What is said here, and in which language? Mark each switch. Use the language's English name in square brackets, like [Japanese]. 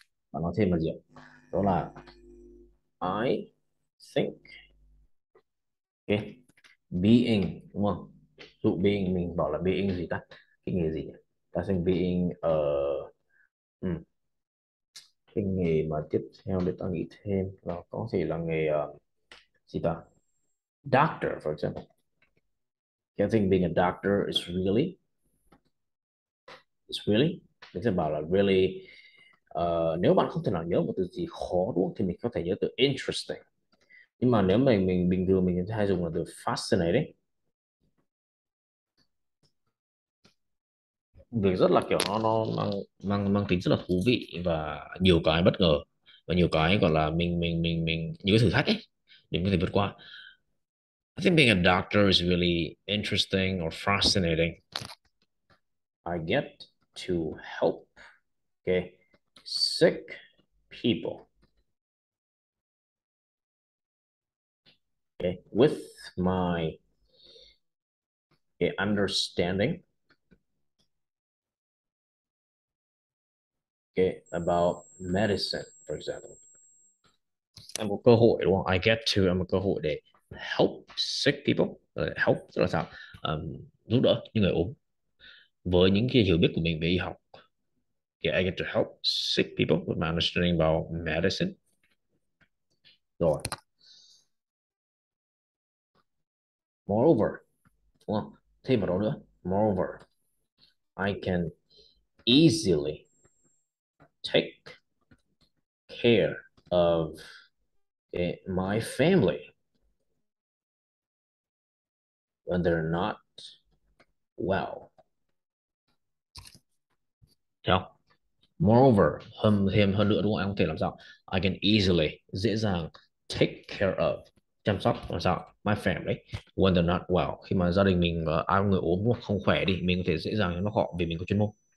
[Vietnamese] Và nói thêm là gì? Đó là [English] I think, okay, being, [Vietnamese] đúng không? Dụ being, mình bảo là being gì ta? Cái nghề gì nhỉ? Ta xin being cái nghề mà tiếp theo để ta nghĩ thêm là có thể là nghề gì ta? [English] Doctor, for example. Okay, I think being a doctor is really, [Vietnamese] mình sẽ bảo là [English] really. [Vietnamese] Nếu bạn không thể nào nhớ một từ gì khó đúng không, thì mình có thể nhớ từ interesting. Nhưng mà nếu mà mình bình thường mình hay dùng là từ fascinating. Việc rất là kiểu nó mang tính rất là thú vị và nhiều cái bất ngờ và nhiều cái gọi là mình những cái thử thách ấy để mình có thể vượt qua. [English] I think being a doctor is really interesting or fascinating. I get to help. Okay. Sick people. Okay, with my understanding. Okay, about medicine, for example. [Vietnamese] Em có cơ hội, đúng không? [English] I get to, [Vietnamese] em có cơ hội để [English] help sick people. [Vietnamese] Help, tức là sao? Giúp đỡ những người ốm. với những cái hiểu biết của mình về y học. [English] Okay, I get to help sick people with my understanding about medicine. Rồi. Moreover, [Vietnamese] đúng không? Thêm vào đó nữa. [English] Moreover, I can easily take care of it, my family when they're not well. Yeah. [Vietnamese] Moreover, hơn nữa đúng không? Em có thể làm sao? [English] I can easily, [Vietnamese] dễ dàng [English] take care of, [Vietnamese] chăm sóc làm sao? [English] My family when they're not well. [Vietnamese] Khi mà gia đình mình ai người ốm hoặc không khỏe đi, mình có thể dễ dàng cho họ vì mình có chuyên môn.